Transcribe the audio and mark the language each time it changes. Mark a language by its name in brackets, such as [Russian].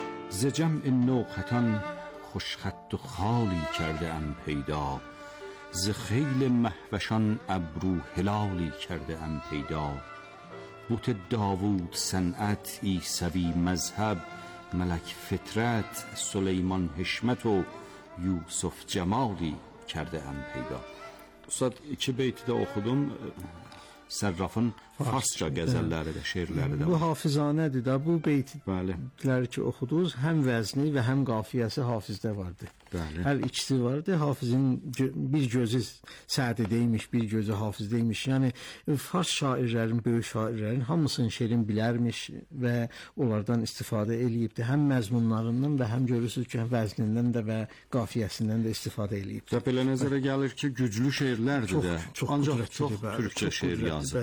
[Persian] ز جمع نو خطان خوش خط و خالی کرده ام پیدا، ز خیل مهوشان ابرو هلالی کرده ام پیدا. بوت داوود صنعت، عیسوی مذهب، ملک فطرت، سلیمان حشمت و یوسف جمالی کرده ام پیدا. استاد چه بیتی ده اخودم؟ [Azerbaijani] Sərrafın farsca qəzəlləri də, şeirləri də var. Bu hafizanədir də, bu beytləri ki oxuduz, həm vəzni və həm qafiyəsi hafizdə vardır. Bəli. Hər ikisi vardır, hafizin bir gözü Sədi deymiş, bir gözü Hafiz deymiş. Yəni, fars şairlərin, böyük şairlərin hamısının şeirini bilərmiş və onlardan istifadə eləyibdir. Həm məzmunlarından və həm görürsünüz ki, vəznindən də və qafiyəsindən də istifadə eləyibdir. Və belə nəzərə gəlir ki, güclü şeirlərdir də, ancaq çox türkçə şeir yazdı.